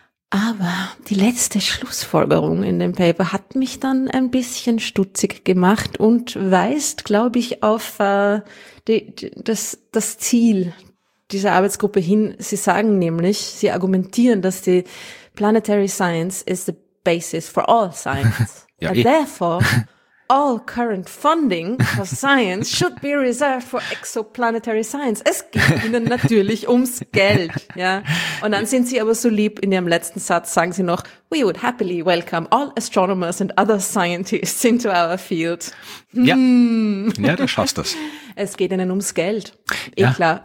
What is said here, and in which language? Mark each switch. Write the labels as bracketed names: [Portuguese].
[German] Aber die letzte Schlussfolgerung in dem Paper hat mich dann ein bisschen stutzig gemacht und weist, glaube ich, auf das Ziel dieser Arbeitsgruppe hin. Sie sagen nämlich, sie argumentieren, dass die [English] Planetary Science is the basis for all science. [German] Ja, [English] and therefore, all current funding for science should be reserved for exoplanetary science. [German] Es geht ihnen natürlich ums Geld, ja. Und dann sind sie aber so lieb, in ihrem letzten Satz sagen sie noch, [English] we would happily welcome all astronomers and other scientists into our field. [German] Ja, ja, du schaffst das. Es geht ihnen ums Geld. Eh klar,